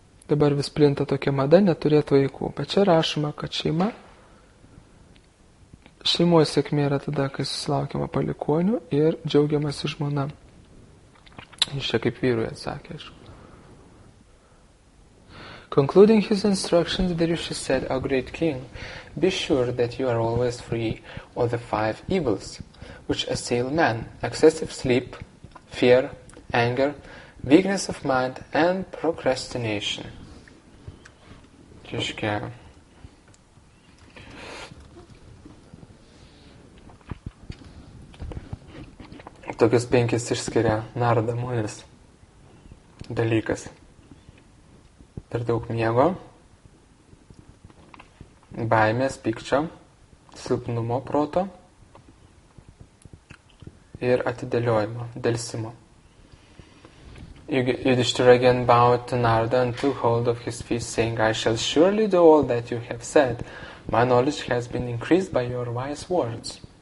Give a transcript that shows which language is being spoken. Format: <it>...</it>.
<lt>Dabar vis plinta tokia mada neturėti vaikų. Bet čia rašoma, kad šeima, šeimoje sėkmė yra tada, kai susilaukiama palikuonių ir džiaugiamasi žmona. Jis čia kaip vyrui atsakė, aišku.</lt> <en>Concluding his instructions, Darius said, O great king, be sure that you are always free of the five evils which assail man. Excessive sleep, fear, anger, weakness of mind and procrastination.</en> <lt>Reiškia. Tokius penkis išskiria Narada Munis dalykas. Per daug miego, baimės, pykčio, silpnumo proto ir atidėliojimo, delsimo.</lt> <en>Yudhishthira again bowed to Narada and took hold of his feet, saying, I shall surely do all that you have said. My knowledge has been increased by your wise words.</en>